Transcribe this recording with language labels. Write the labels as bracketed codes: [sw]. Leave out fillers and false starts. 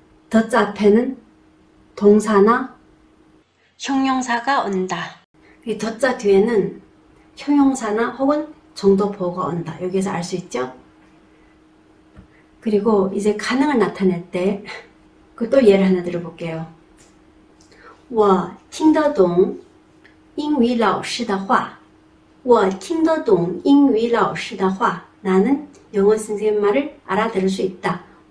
[ko] 덧자 앞에는 동사나 형용사가 온다. 이 덧자 뒤에는 형용사나 혹은 정도 보호가 온다. 여기에서 알수 있죠? 그리고 이제 가능을 나타낼 때, 그또 예를 하나 들어볼게요. [zh] 我听得懂英语老师的话。我听得懂英语老师的话。 [ko] 나는 영어 선생님 말을 알아들을 수 있다.